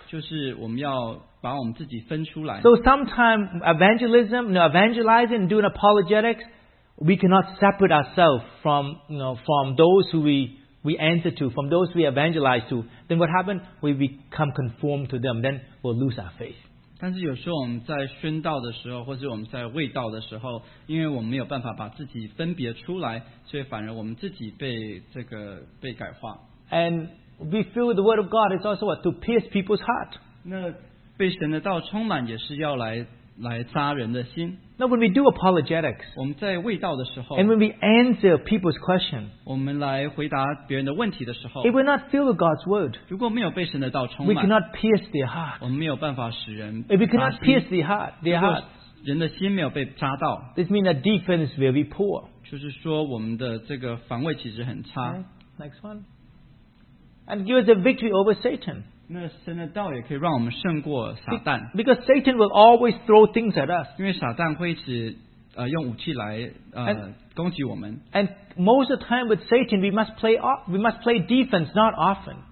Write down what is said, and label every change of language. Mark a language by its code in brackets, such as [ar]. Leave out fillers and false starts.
[en] So sometimes evangelism, you know, evangelizing, doing apologetics, we cannot separate ourselves from, you know, from those who we answer to, from those we evangelize to. Then what happens? We become conformed to them. Then we'll lose our faith. [zh] 但是有时候我们在宣道的时候，或是我们在卫道的时候，因为我们没有办法把自己分别出来，所以反而我们自己被这个被改化。 [en] And be filled with the word of God is also what? To pierce people's heart. [zh] 那被神的道充满也是要来扎人的心。 [en] Now when we do apologetics, [zh] 我们在慰道的时候, [en] and when we answer people's question, [zh] 我们来回答别人的问题的时候, [en] if we're not filled with God's word, [zh] 如果没有被神的道充满, [en] we cannot pierce their heart. [zh] 我们没有办法使人扎心, [en] if we cannot pierce their heart, their heart, [zh] 人的心没有被扎到, [en] this means that defense will be poor. [zh] 就是说我们的这个防卫其实很差。 [en] Okay, next one. And give us a victory over Satan. Because Satan will always throw things at us. [zh] 因为撒旦会一直, 用武器来, [en] and most of the time with Satan, we must play defense, not often.